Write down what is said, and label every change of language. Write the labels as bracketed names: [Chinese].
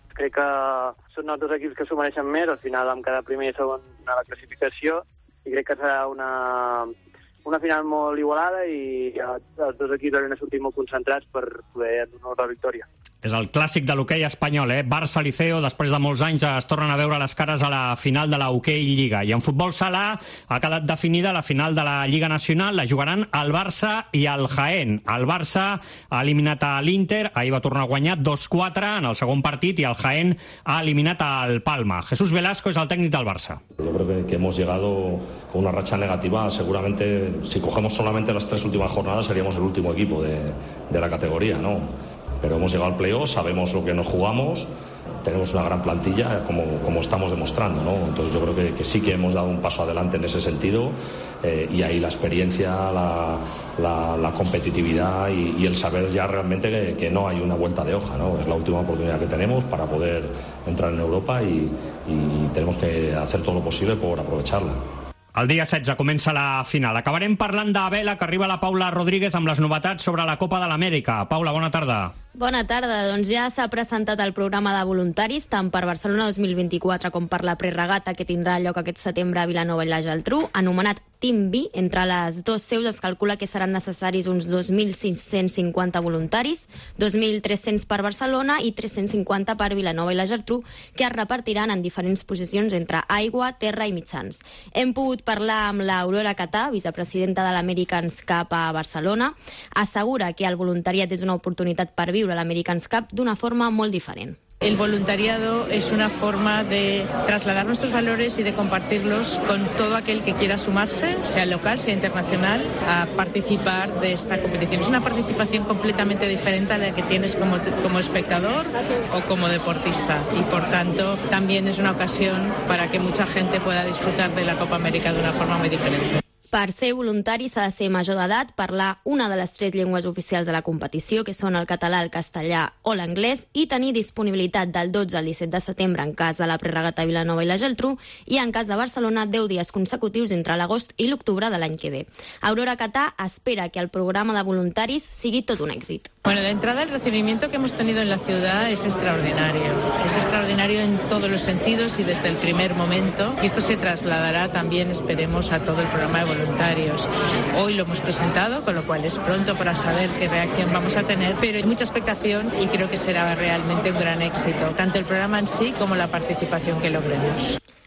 [Catalan] Crec que són els dos equips que s'ho mereixen més, al final vam quedar primer i segon a la classificació, i crec que serà una final molt igualada i els dos equips haurien de sortir molt concentrats per poder donar la victòria. És el clàssic de l'hoquei espanyol, eh? Barça-Liceo, després de molts anys, es tornen a veure les cares a la final de l'hoquei Lliga. I en futbol sala ha quedat definida la final de la Lliga Nacional. La jugaran el Barça i el Jaén. El Barça ha eliminat a l'Inter, ahir va tornar a guanyar 2-4 en el segon partit, i el Jaén ha eliminat al Palma. Jesús Velasco és el tècnic del Barça. [Spanish] Yo creo que hemos llegado con una racha negativa. Seguramente, si cogemos solamente las tres últimas jornadas, seríamos el último equipo de la categoría, ¿no? Pero hemos llegado al play-off, sabemos lo que nos jugamos, tenemos una gran plantilla, como estamos demostrando, ¿no? Entonces yo creo que sí que hemos dado un paso adelante en ese sentido, y ahí la experiencia, la competitividad y el saber ya realmente que no hay una vuelta de hoja, ¿no? Es la última oportunidad que tenemos para poder entrar en Europa y tenemos que hacer todo lo posible por aprovecharla. [Catalan] El dia 16 comença la final. Acabarem parlant de vela, que arriba la Paula Rodríguez amb les novetats sobre la Copa de l'Amèrica. Paula, bona tarda. Bona tarda. Doncs ja s'ha presentat el programa de voluntaris, tant per Barcelona 2024 com per la preregata, que tindrà lloc aquest setembre a Vilanova i la Geltrú, anomenat Team B. Entre les dues seus es calcula que seran necessaris uns 2.550 voluntaris, 2.300 per Barcelona i 350 per Vilanova i la Geltrú, que es repartiran en diferents posicions entre aigua, terra i mitjans. Hem pogut parlar amb l'Aurora Catà, vicepresidenta de l'Americans Cup a Barcelona. Assegura que el voluntariat és una oportunitat per viure l'Americans Cup d'una forma molt diferent. [Spanish] El voluntariado es una forma de trasladar nuestros valores y de compartirlos con todo aquel que quiera sumarse, sea local, sea internacional, a participar de esta competición. Es una participación completamente diferente a la que tienes como espectador o como deportista. Y por tanto, también es una ocasión para que mucha gente pueda disfrutar de la Copa América de una forma muy diferente. [Catalan] Per ser voluntari s'ha de ser major d'edat, parlar una de les tres llengües oficials de la competició, que són el català, el castellà o l'anglès, i tenir disponibilitat del 12 al 17 de setembre en cas de la preregata Vilanova i la Geltrú, i en cas de Barcelona 10 dies consecutius entre l'agost i l'octubre de l'any que ve. Aurora Catà espera que el programa de voluntaris sigui tot un èxit. [Spanish] Bueno, de entrada el recibimiento que hemos tenido en la ciudad es extraordinario. Es extraordinario en todos los sentidos y desde el primer momento. Y esto se trasladará también, esperemos, a todo el programa de voluntarios. Hoy lo hemos presentado, con lo cual es pronto para saber qué reacción vamos a tener, pero hay mucha expectación y creo que será realmente un gran éxito, tanto el programa en sí como la participación que logremos.